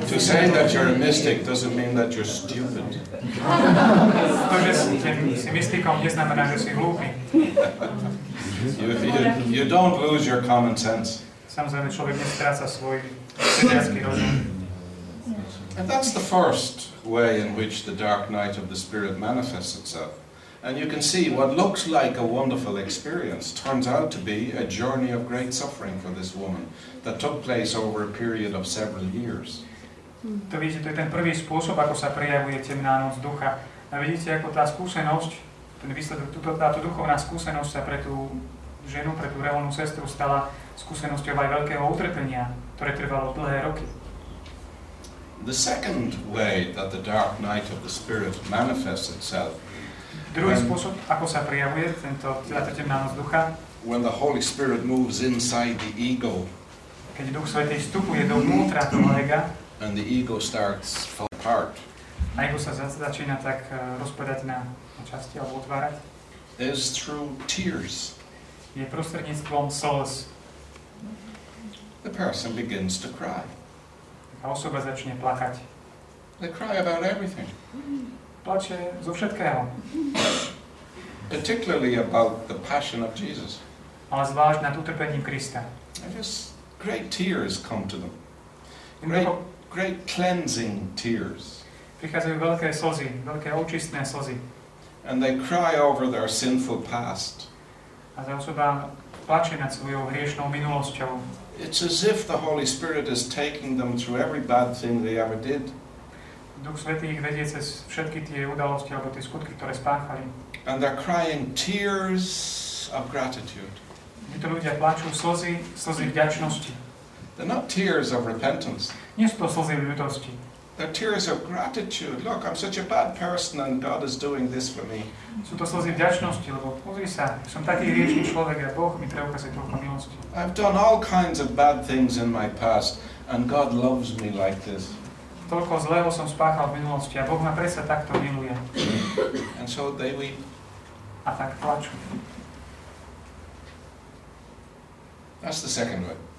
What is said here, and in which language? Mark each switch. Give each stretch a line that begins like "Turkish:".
English: To say that you're a mystic doesn't mean that you're stupid.
Slovak: To, že si mystikom, neznamená, že si hlúpy.
English: You don't lose your common sense.
Slovak: Samozrejme, človek nestráca svoj sedliacký rozum.
English: And that's the first way in which the dark night of the spirit manifests itself. And you can see what looks like a wonderful experience turns out to be a journey of great suffering for this woman that took place over a period of several years.
Slovak: To vidíte, to je ten prvý spôsob, ako sa prejavuje temná noc ducha. A vidíte, ako tá skúsenosť, ten výsledok, táto duchovná skúsenosť sa pre tú ženu, pre tú reálnu sestru stala skúsenosťou aj veľkého utrpenia, ktoré trvalo dlhé roky.
English: The second way that the dark night of the spirit manifests itself.
Slovak: Druhý spôsob, ako sa prejavuje tento temná noc ducha.
English: When the Holy Spirit moves inside the ego.
Slovak: Keď Duch Svätý vstupuje do vnútra toho ega.
English: And the ego starts fall apart.
Slovak: A ego sa začína tak rozpadať na časti alebo otvárať.
English: Is through tears.
Slovak: Je prostredníctvom slz.
English: The person begins to cry.
Slovak: A osoba začne plakať.
English: They cry about everything.
Slovak: Plače zo všetkého.
English: Particularly about the passion of Jesus.
Slovak: Ale zvlášť nad utrpením Krista.
English: Just great tears come to them. Great, great cleansing tears.
Slovak: Prichádzajú veľké slzy, veľké očistné slzy.
English: And they cry over their sinful past.
Slovak: A tá osoba plače nad svojou hriešnou minulosťou.
English: It's as if the Holy Spirit is taking them through every bad thing they ever did.
Slovak: Duch Svätý ich vedie cez všetky tie udalosti alebo tie skutky, ktoré spáchali.
English: And they're crying tears of gratitude.
Slovak: Títo ľudia plačú slzy, slzy vďačnosti.
English: They're not tears of repentance.
Slovak: Nie sú to slzy ľútosti.
English: They're tears of gratitude. Look, I'm such a bad person and God is doing this for me.
Slovak: Sú to slzy vďačnosti, lebo pozri sa, som taký hriešný človek a Boh mi preukazuje toľko milosti.
English: I've done all kinds of bad things in my past and God loves me like this.
Slovak: Toľko zlého som spáchal v minulosti a Boh ma predsa takto miluje.
English: And so they weep.
Slovak: A tak plačú.
English: That's the second way.